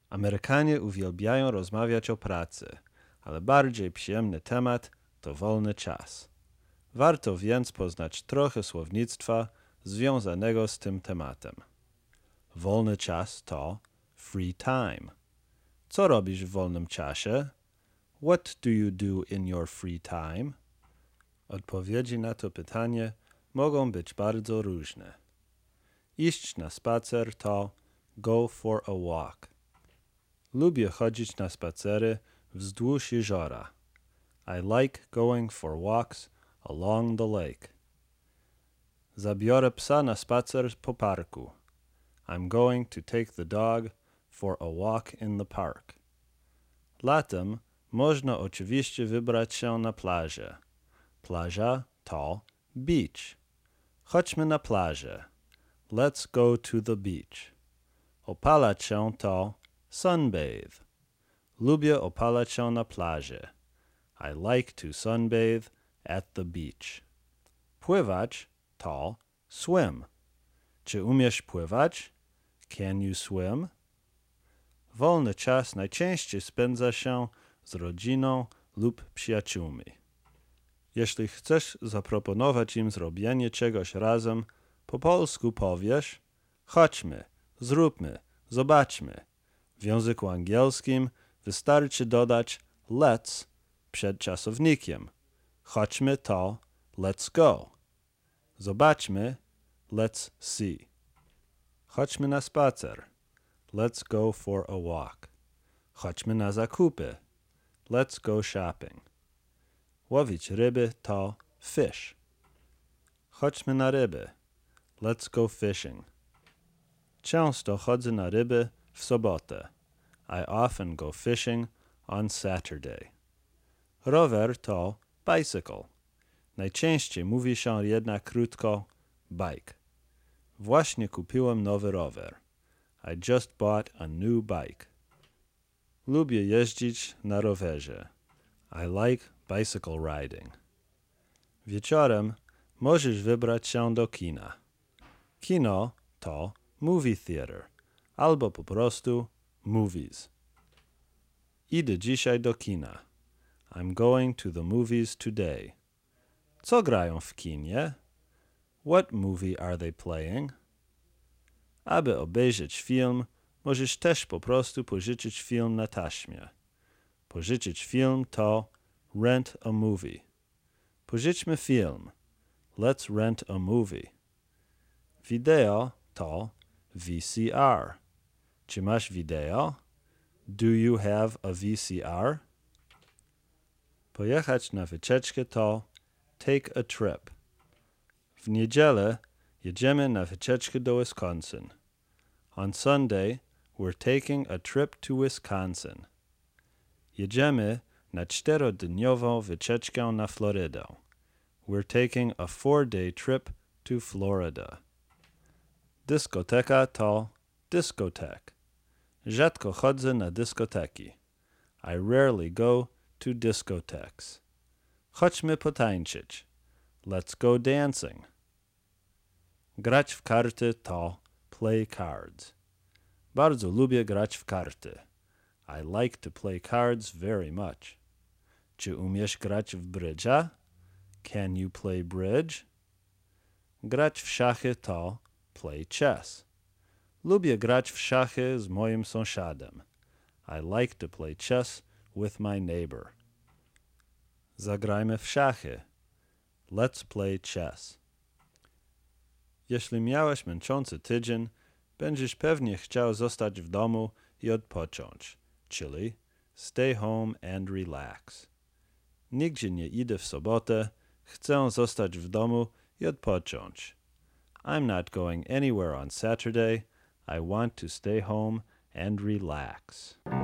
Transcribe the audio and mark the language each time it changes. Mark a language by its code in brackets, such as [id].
[pl] Amerykanie uwielbiają rozmawiać o pracy, ale bardziej przyjemny temat to wolny czas. Warto więc poznać trochę słownictwa związanego z tym tematem. Wolny czas to free time. Co robisz w wolnym czasie? [en] What do you do in your free time? [pl] Odpowiedzi na to pytanie mogą być bardzo różne. Iść na spacer [en] to go for a walk. [pl] Lubię chodzić na spacery wzdłuż jeziora. [en] I like going for walks along the lake. [pl] Zabiorę psa na spacer po parku. [en] I'm going to take the dog for a walk in the park. [pl] Latem można oczywiście wybrać się na plażę. Plaża to beach. Chodźmy na plażę. [en] Let's go to the beach. [pl] Opalać się to [en] sunbathe. [pl] Lubię opalać się na plażę. [en] I like to sunbathe at the beach. [pl] Pływać to swim. Czy umiesz pływać? [en] Can you swim? [pl] Wolny czas najczęściej spędza się z rodziną lub przyjaciółmi. Jeśli chcesz zaproponować im zrobienie czegoś razem, po polsku powiesz: chodźmy, zróbmy, zobaczmy. W języku angielskim wystarczy dodać let's przed czasownikiem. Chodźmy to [en] let's go. [pl] Zobaczmy, [en] let's see. [pl] Chodźmy na spacer. [en] Let's go for a walk. [pl] Chodźmy na zakupy. [en] Let's go shopping. [pl] Łowić ryby to fish. Chodźmy na ryby. [en] Let's go fishing. [pl] Często chodzę na ryby w sobotę. [en] I often go fishing on Saturday. [pl] Rower to bicycle. Najczęściej mówi się jednak krótko bike. Właśnie kupiłem nowy rower. [en] I just bought a new bike. [pl] Lubię jeździć na rowerze. [en] I like bicycle riding. [pl] Wieczorem możesz wybrać się do kina. Kino to movie theater, albo po prostu movies. Idę dzisiaj do kina. [en] I'm going to the movies today. [pl] Co grają w kinie? [en] What movie are they playing? [pl] Aby obejrzeć film, możesz też po prostu pożyczyć film na taśmie. Pożyczyć film [en] to rent a movie. [pl] Pożyczmy film. [en] Let's rent a movie. Video to VCR. [pl] Czy masz video? [en] Do you have a VCR? [pl] Pojechać na wycieczkę [en] to take a trip. [pl] W niedzielę jedziemy na wycieczkę do Wisconsin. [en] On Sunday, we're taking a trip to Wisconsin. [pl] Jedziemy na czterodniową wycieczkę na Florydę. [en] We're taking a 4-day trip to Florida. [pl] Dyskoteka to discotheque. Rzadko chodzę na dyskoteki. [en] I rarely go to discotheques. [pl] Chodźmy potańczyć. [en] Let's go dancing. [pl] Grać w karty to [en] play cards. [pl] Bardzo lubię grać w karty. [en] I like to play cards very much. [pl] Czy umiesz grać w brydża? [en] Can you play bridge? [pl] Grać w szachy [en] to play chess. [pl] Lubię grać w szachy z moim sąsiadem. [en] I like to play chess with my neighbor. [pl] Zagrajmy w szachy. [en] Let's play chess. [pl] Jeśli miałeś męczący tydzień, będziesz pewnie chciał zostać w domu i odpocząć, czyli [en] stay home and relax. [pl] Nigdzie nie idę w sobotę, chcę zostać w domu i odpocząć. [en] I'm not going anywhere on Saturday. I want to stay home and relax.